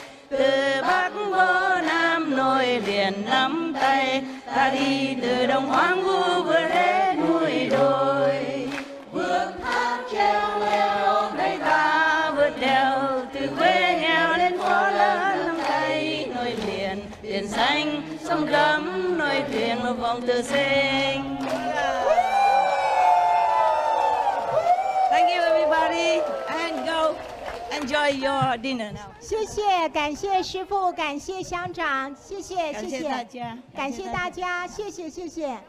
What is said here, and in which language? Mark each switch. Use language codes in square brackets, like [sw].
[vi] Từ Bắc vô Nam nổi liền nắm tay, ta đi từ Đồng Hoang Vu vừa hết núi đồi. Vượt thác treo leo đây ta vượt đèo, từ quê nghèo lên phố lớn nắm tay nổi liền. Biển xanh sông gấm nối thuyền một vòng tự sinh. [en] Thank you everybody, and go enjoy your dinner now. [zh] 谢谢，感谢师傅，感谢乡长，谢谢，感谢大家，谢谢，谢谢。